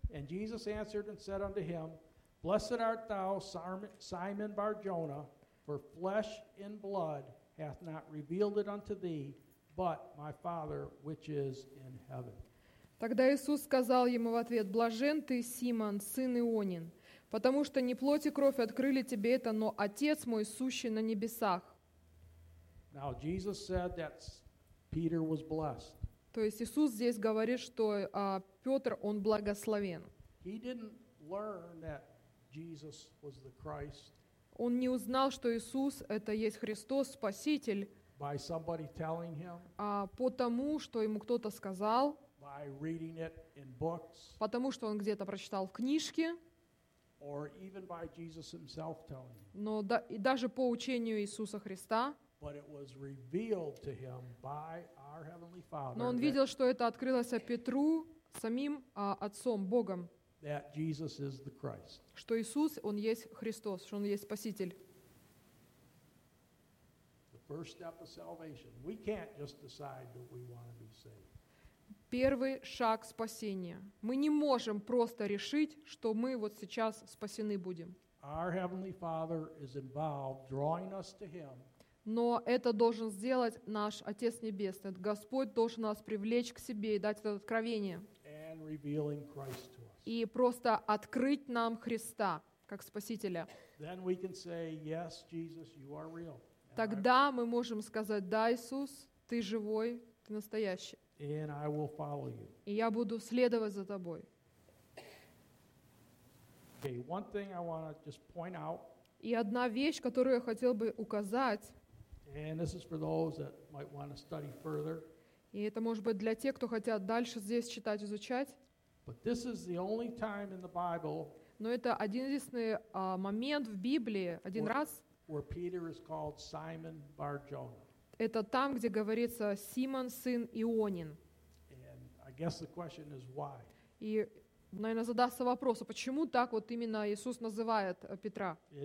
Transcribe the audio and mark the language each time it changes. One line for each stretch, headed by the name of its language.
English: And Jesus answered and said unto him, Blessed art thou, Simon Bar-Jonah, for flesh and blood hath not revealed it unto thee, but my Father which is in heaven.
Russian: Тогда Иисус сказал ему в ответ, «Блажен ты, Симон, сын Ионин, потому что не плоть и кровь открыли тебе это, но Отец мой, сущий на небесах».
English: Now, Jesus said that Peter was blessed.
Russian: То есть Иисус здесь говорит, что Петр, он благословен.
English: He didn't learn that Jesus was the Christ.
Russian: Он не узнал, что Иисус – это есть Христос, Спаситель,
English: by somebody telling him.
Russian: Потому что ему кто-то сказал,
English: By reading it in books,
Russian: потому что он где-то прочитал в книжке,
English: or even by Jesus himself telling him.
Russian: Но и даже по учению Иисуса Христа,
English: But it was revealed to him by our Heavenly Father,
Russian: но он видел, что это открылось Петру самим Отцом, Богом,
English: that Jesus is the Christ.
Russian: Что Иисус, Он есть Христос, что Он есть Спаситель.
English: The first step of salvation. We can't just decide that we want to be saved.
Russian: Первый шаг спасения. Мы не можем просто решить, что мы вот сейчас спасены будем.
English: Our Heavenly Father is involved, drawing us to Him.
Russian: Но это должен сделать наш Отец Небесный. Господь должен нас привлечь к себе и дать это откровение.
English: And revealing Christ to us.
Russian: И просто открыть нам Христа как Спасителя.
English: Then we can say, yes, Jesus, you are real.
Russian: Тогда мы можем сказать, да, Иисус, ты живой, ты настоящий.
English: And I will follow you.
Russian: И я буду следовать за тобой.
English: Okay, one thing I want to just point out.
Russian: И одна вещь, которую я хотел бы указать.
English: And this is for those that might want to study further.
Russian: И это может быть для тех, кто хотят дальше здесь читать, изучать.
English: But this is the only time in the Bible.
Russian: Но это один единственный момент в Библии, один раз.
English: where Peter is called Simon Bar-Jonah.
Russian: Это там, где говорится Симон, сын Ионин.
English: And I guess the question is why.
Russian: И, наверное, задастся вопрос, а почему так вот именно Иисус называет Петра?